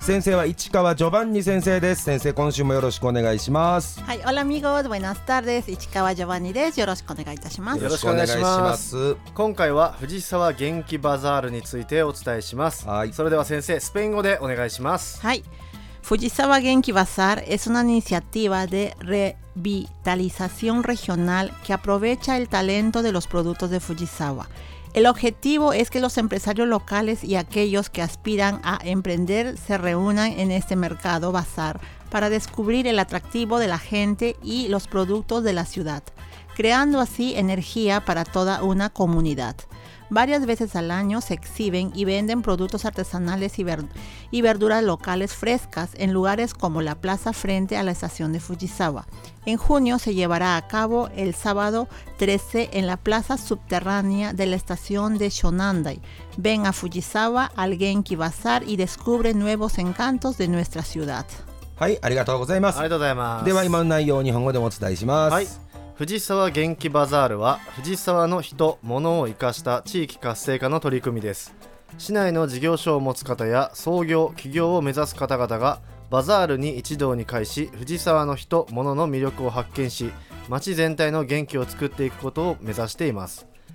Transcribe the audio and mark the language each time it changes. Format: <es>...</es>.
<ja>先生は市川ジョバンニ先生です。先生今週もよろしくお願いします。はい、オラミゴーズバイナスタールです。市川ジョバンニです。よろしくお願いいたします。よろしくお願いします。今回は藤沢元気バザールについてお伝えします。はい、それでは先生スペイン語でお願いします。</ja> <es>はい、藤沢元気バザールは、una iniciativa de revitalización regional que aprovecha el talento de los productos de Fujisawa. El objetivo es que los empresarios locales y aquellos que aspiran a emprender se reúnan en este mercado bazar para descubrir el atractivo de la gente y los productos de la ciudad, creando así energía para toda una comunidad. Varias veces al año se exhiben y venden productos artesanales y verduras locales frescas en lugares como la plaza frente a la estación de Fujisawa. En junio se llevará a cabo el sábado 13 en la plaza subterránea de la estación de Shonandai. Ven a Fujisawa al Genki Bazaar y descubre nuevos encantos de nuestra ciudad.</es> <ja>はい、ありがとうございます。ありがとうございます。では今の内容を日本語でお伝えします。はい。藤沢元気バザールは藤沢の人物を生かした地域活性化の取り組みです。市内の事業所を持つ方や創業起業を目指す方々がバザールに一堂に会し、藤沢の人物の魅力を発見し、町全体の元気を作っていくことを目指しています。</ja>